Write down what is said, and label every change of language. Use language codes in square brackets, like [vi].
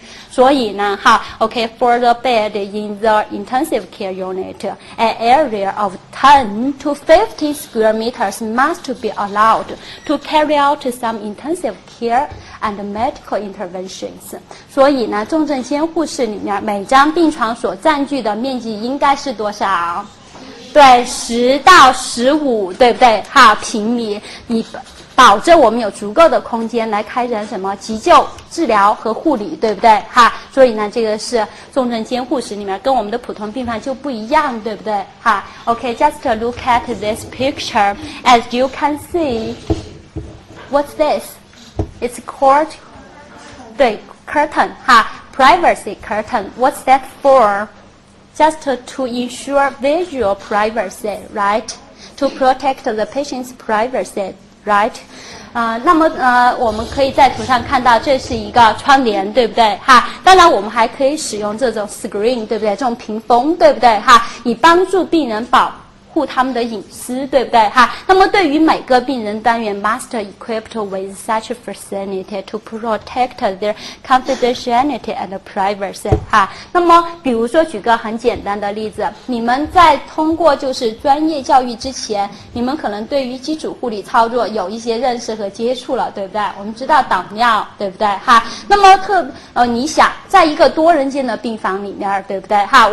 [en] 所以呢哈 OK for the bed in the intensive care unit an area of 10 to 50 square meters must be allowed to carry out some intensive care and medical interventions。 [zh] 所以呢重症监护室里面每张病床所占据的面积应该是多少？对，10到15，对不对哈平米，你保证我们有足够的空间来开展什么急救治疗和护理，对不对哈？所以呢这个是重症监护室里面，跟我们的普通病房就不一样，对不对哈？ [en] OK just look at this picture as you can see what's this it's called 对 curtain 哈 privacy curtain what's that for just to ensure visual privacy right to protect the patient's privacyright 那么我们可以在图上看到这是一个窗帘，对不对哈？ [zh] 当然我们还可以使用这种 screen， 对不对？这种屏风，对不对哈？以帮助病人保护他们的隐私，对不对哈？ [en] 那么对于每个病人单元 must equipped with such facility to protect their confidentiality and privacy 哈。 [zh] 那么比如说举个很简单的例子，你们在通过就是专业教育之前，你们可能对于基础护理操作有一些认识和接触了，对不对？我们知道导尿，对不对哈？那么你想在一个多人间的病房里面，对不对哈？